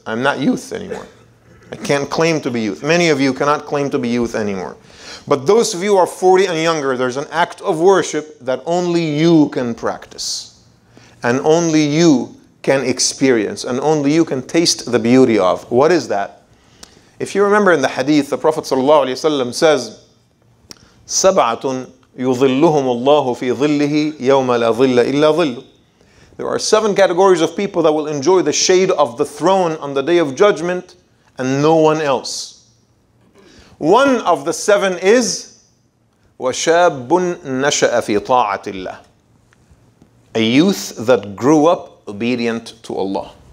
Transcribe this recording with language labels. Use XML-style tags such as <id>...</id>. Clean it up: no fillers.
<en>I'm not youth anymore. I can't claim to be youth. Many of you cannot claim to be youth anymore. But those of you who are 40 and younger, there's an act of worship that only you can practice, and only you can experience, and only you can taste the beauty of. What is that? If you remember in the hadith, the Prophet ﷺ says,</en> <ar>سَبْعَةٌ يُظِلُّهُمُ اللَّهُ فِي ظِلِّهِ يَوْمَ لَا ظِلَّ إِلَّا ظِلُّ.</ar> <en>There are seven categories of people that will enjoy the shade of the throne on the day of judgment, and no one else. One of the seven is,</en> <ar>وَشَابٌ نَشَأَ فِي طَاعَةِ اللَّهِ.</ar> <en>A youth that grew up obedient to Allah.</en>